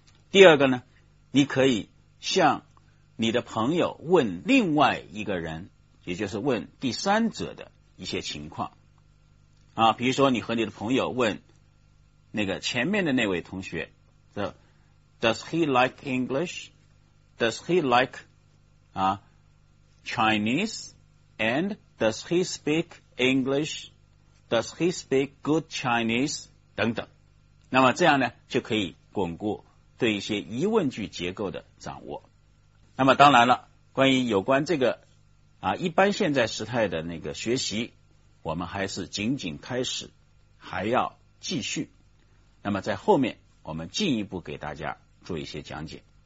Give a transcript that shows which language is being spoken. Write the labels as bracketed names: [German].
[Chinese] 第二个呢，你可以向你的朋友问另外一个人，也就是问第三者的一些情况啊，比如说你和你的朋友问那个前面的那位同学 [English] Does he like English? Does he like Chinese? And does he speak EnglishDoes he speak good Chinese? [Chinese] 等等。那么这样呢，就可以巩固对一些疑问句结构的掌握。那么当然了，关于有关这个啊一般现在时态的那个学习，我们还是仅仅开始，还要继续。那么在后面，我们进一步给大家做一些讲解。